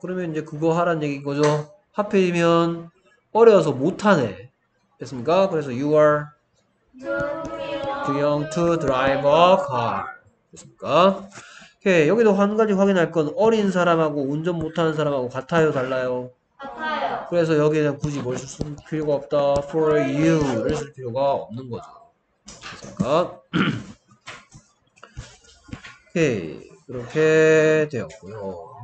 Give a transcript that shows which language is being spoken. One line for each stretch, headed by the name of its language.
Korean: 그러면 이제 그거 하란 얘기인 거죠. 하필이면 어려서 못하네. 됐습니까? 그래서
English: you are too young to drive a car.
Korean: 됐습니까? 오케이. 여기도 한 가지 확인할 건 어린 사람하고 운전 못하는 사람하고 같아요, 달라요? 그래서 여기에는 굳이 뭘쓸 필요가 없다. For you를 쓸 필요가 없는 거죠. 됐습니까? 오케이. 그렇게 되었고요.